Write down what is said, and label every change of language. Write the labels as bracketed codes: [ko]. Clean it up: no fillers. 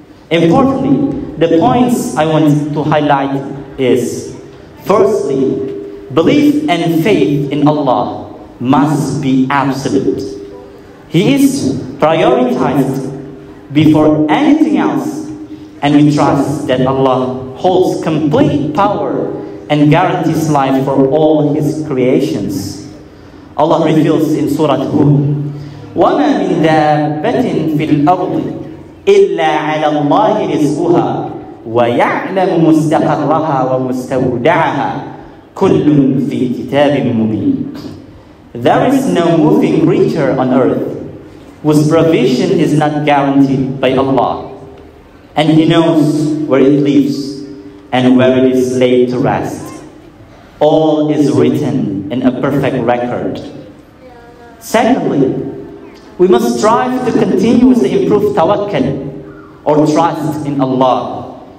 [en] Importantly, the points I want to highlight is, firstly, belief and faith in Allah must be absolute. He is prioritized before anything else, and we trust that Allah holds complete power and guarantees life for all His creations. [ar] Allah reveals in Surah Hud, وَمَا مِنْ دَابَّةٍ فِي الْأَرْضِ إِلَّا عَلَى اللَّهِ رِزْقُهَا وَيَعْلَمُ مُسْتَقَرَّهَا وَمُسْتَوْدَعَهَا كُلٌّ فِي كِتَابٍ مُبِينٍ. [en] There is no moving creature on earth whose provision is not guaranteed by Allah, and He knows where it lives and where it is laid to rest. All is written in a perfect record. Secondly, we must strive to continuously improve tawakkul, or trust in Allah.